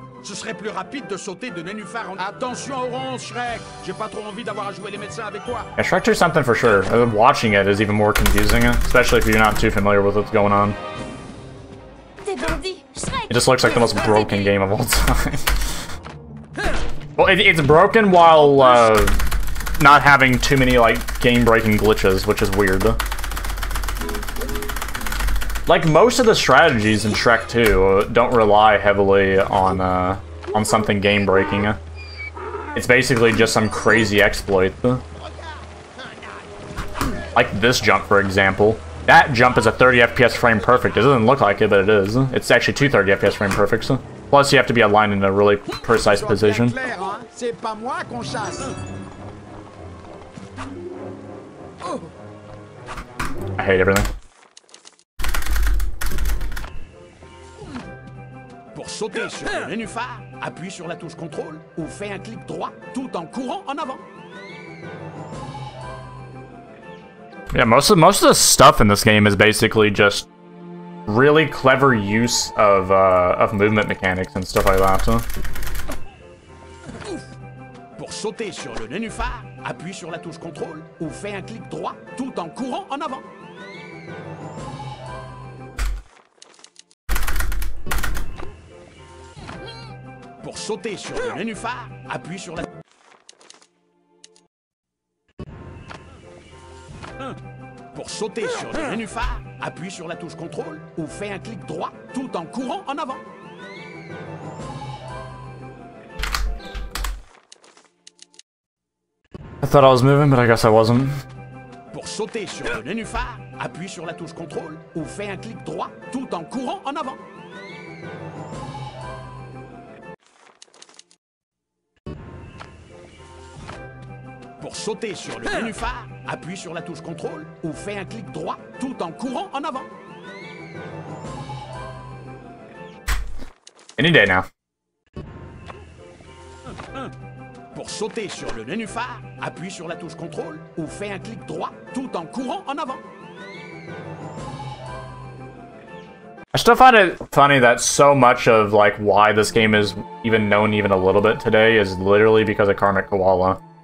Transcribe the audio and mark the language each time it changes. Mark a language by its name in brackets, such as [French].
[French] Ce serait plus rapide de sauter de nénuphar en... Attention orange, Shrek! J'ai pas trop envie d'avoir à jouer les médecins avec toi! [English] Yeah, Shrek 2 is something for sure. Watching it is even more confusing, especially if you're not too familiar with what's going on. It just looks like the most broken game of all time. Well, it's broken while not having too many, like, game-breaking glitches, which is weird. Like, most of the strategies in Shrek 2 don't rely heavily on something game-breaking. It's basically just some crazy exploit. Like this jump, for example. That jump is a 30 FPS frame perfect. It doesn't look like it, but it is. It's actually two 30 FPS frame perfects. Plus, you have to be aligned in a really precise position. I hate everything. [French] Pour sauter sur le nénuphar, appuie sur la touche contrôle ou fais un clic droit tout en courant en avant. [English] Yeah, most of the stuff in this game is basically just really clever use of movement mechanics and stuff like that. [French] Pour sauter sur le nénuphar, appuie sur la touche contrôle ou fais un clic droit tout en courant en avant. Pour sauter sur le nénuphar, appuie sur la... Pour sauter sur le nénuphar, appuie sur la touche contrôle ou fais un clic droit tout en courant en avant. [English] I thought I was moving, but I guess I wasn't. [French] Pour sauter sur le nénuphar, appuie sur la touche contrôle ou fais un clic droit tout en courant en avant. Pour sauter sur le nénuphar, appuie sur la touche contrôle ou fais un clic droit tout en courant en avant. [English] Any day now. [French] Pour sauter sur le nénuphar, appuie sur la touche contrôle ou fais un clic droit tout en courant en avant. [English] I still find it funny that so much of, like, why this game is even known even a little bit today is literally because of Karmic Koala.